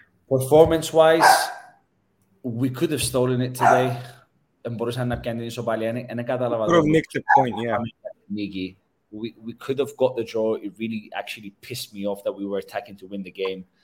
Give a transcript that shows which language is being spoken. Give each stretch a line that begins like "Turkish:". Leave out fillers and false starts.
English: Performance-wise, we could have stolen it today.
Greek: Μπορούσαν να πιάνε την ισοπαλία. Ένα καταλαβαίνω.
English: Make the point, yeah. we could have got the draw. It really actually pissed me off that we were attacking to win the game.